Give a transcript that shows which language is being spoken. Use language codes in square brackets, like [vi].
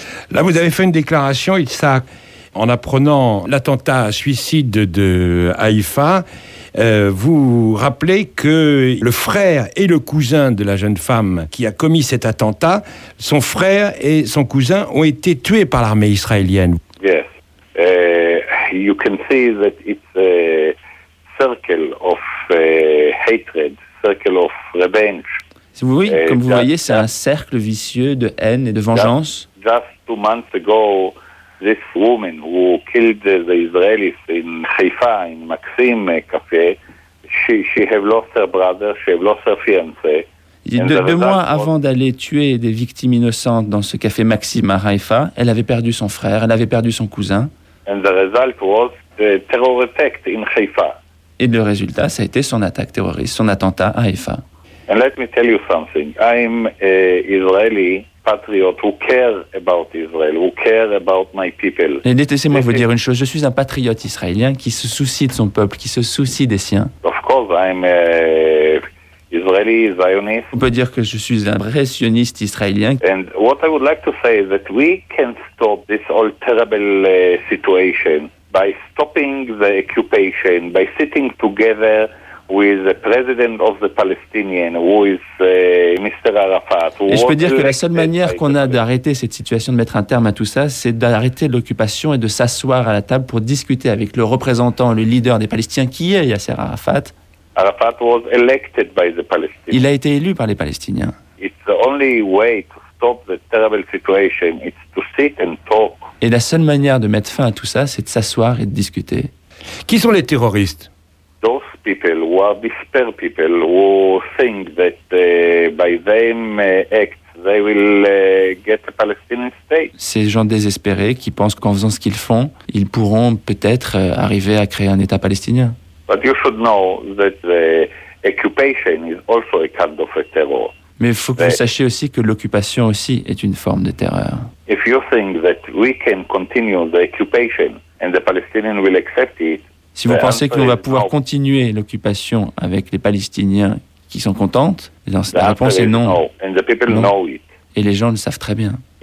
[fr] Là, vous avez fait une déclaration, Isaac. En apprenant l'attentat suicide de Haïfa, vous rappelez que le frère et le cousin de la jeune femme qui a commis cet attentat, son frère et son cousin ont été tués par l'armée israélienne. [en] Yes, you can see that it's a circle of hatred, circle of revenge. [fr] Si vous voyez, comme vous voyez, c'est un cercle vicieux de haine et de vengeance. [en] Just 2 months ago. This woman who killed the Israelis in Haifa, in Maxim Cafe, she have lost her brother, she have lost her fiancé. [fr] Deux mois avant d'aller tuer des victimes innocentes dans ce café Maxim à Haifa, elle avait perdu son frère, elle avait perdu son cousin. [en] And the result was the terror attack in Haifa. [fr] Et le résultat, ça a été son attaque terroriste, son attentat à Haifa. [en] And let me tell you something. I'm a Israeli patriot who care about Israel, who care about my people. [fr] Et laissez-moi vous dire une chose, je suis un patriote israélien qui se soucie de son peuple, qui se soucie des siens. [en] Of course, I'm a Israeli Zionist. [fr] On peut dire que je suis un vrai sioniste israélien. [en] And what I would like to say is that we can stop this whole terrible situation by stopping the occupation, by sitting together with the president of the Palestinian, who is Mr. Arafat. [fr] Et je peux dire que la seule manière qu'on a d'arrêter cette situation, de mettre un terme à tout ça, c'est d'arrêter l'occupation et de s'asseoir à la table pour discuter avec le représentant, le leader des Palestiniens, qui est Yasser Arafat. [en] Arafat was elected by the Palestinians. [fr] Il a été élu par les Palestiniens. [en] It's the only way to stop the terrible situation. It's to sit and talk. [fr] Et la seule manière de mettre fin à tout ça, c'est de s'asseoir et de discuter. Qui sont les terroristes? [en] Those people who are despair people who think that by them act they will get a Palestinian state. [fr] Ces gens désespérés qui pensent qu'en faisant ce qu'ils font, ils pourront peut-être arriver à créer un État palestinien. [en] But you should know that the occupation is also a kind of a terror. [fr] Mais il faut que vous sachiez aussi que l'occupation aussi est une forme de terreur. [en] If you think that we can continue the occupation and the Palestinians will accept it. [fr] Si vous pensez que l'on va pouvoir continuer l'occupation avec les Palestiniens qui sont contentes, la réponse est non. Et les gens le savent très bien.